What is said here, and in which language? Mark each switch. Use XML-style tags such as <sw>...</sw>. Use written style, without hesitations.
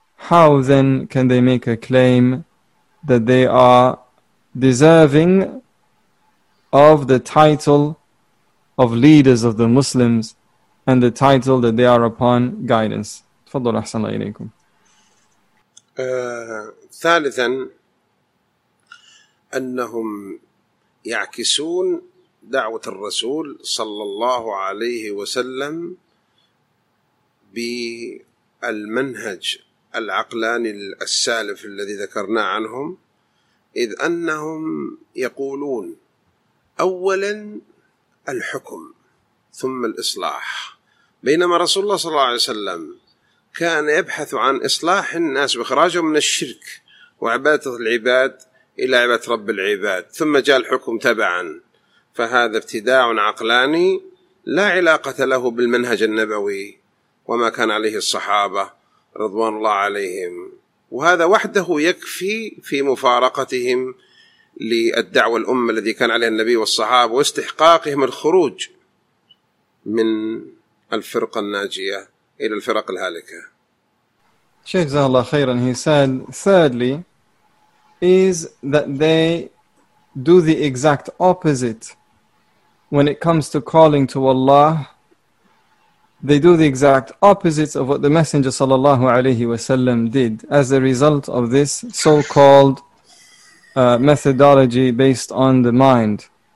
<en>How then can they make a claim that they are deserving of the title of leaders of the Muslims and the title that they are upon guidance.</en> <ar>تفضل أحسن الله إليكم. ثالثا أنهم يعكسون دعوة الرسول صلى الله عليه وسلم بالمنهج العقلاني السالف الذي ذكرنا عنهم, إذ أنهم يقولون أولا الحكم ثم الإصلاح, بينما رسول الله صلى الله عليه وسلم كان يبحث عن إصلاح الناس وإخراجهم من الشرك وعبادة العباد إلى عبادة رب العباد, ثم جاء الحكم تبعا. فهذا ابتداع عقلاني لا علاقة له بالمنهج النبوي وما كان عليه الصحابة رضوان الله عليهم, وهذا وحده يكفي في مفارقتهم للدعوة الأمة الذي كان عليها النبي والصحابة واستحقاقهم الخروج من الفرقة الناجية إلى الفرق الهالكة. شيخ جزاه الله خيرا.</ar> <en>He said, thirdly, is that they do the exact opposite when it comes to calling to Allah. They do the exact opposite of what the Messenger sallallahu alayhi wasallam did as a result of this so-called methodology based on the mind.</en>